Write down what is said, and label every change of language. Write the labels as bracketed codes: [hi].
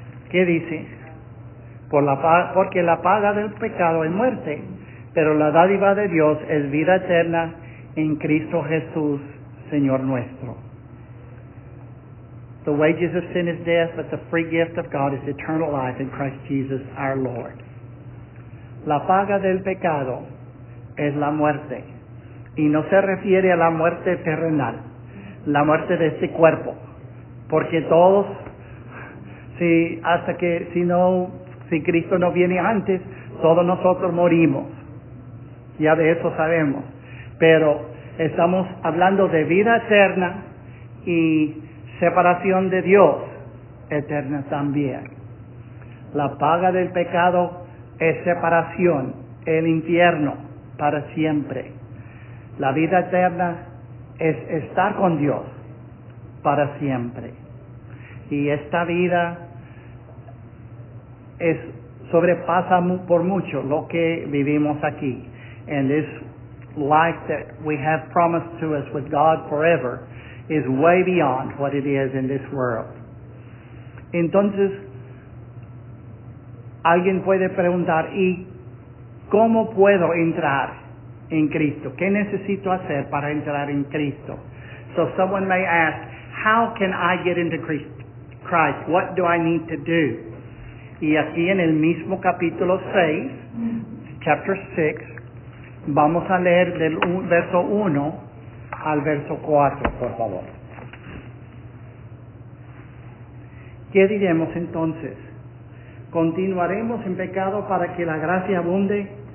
[es] ¿Qué dice? Porque la paga del pecado es muerte, pero la dádiva de Dios es vida eterna en Cristo Jesús, Señor nuestro. [en] The wages of sin is death, but the free gift of God is eternal life in Christ Jesus our Lord. [es] La paga del pecado es la muerte, y no se refiere a la muerte terrenal, la muerte de este cuerpo, porque todos, si Cristo no viene antes, todos nosotros morimos, ya de eso sabemos, pero estamos hablando de vida eterna y separación de Dios eterna también. La paga del pecado es separación, el infierno para siempre. La vida eterna es estar con Dios para siempre. Y esta vida sobrepasa por mucho lo que vivimos aquí. [en] And this life that we have promised to us with God forever is way beyond what it is in this world. [es] Entonces, alguien puede preguntar, ¿y cómo puedo entrar en Cristo? ¿Qué necesito hacer para entrar en Cristo? [en] So someone may ask, how can I get into Christ? What do I need to do? [es] Y aquí en el mismo capítulo 6, [en] chapter 6, [es] vamos a leer del verso 1 al verso 4, por favor. ¿Qué diremos entonces? ¿Continuaremos en pecado para que la gracia abunde?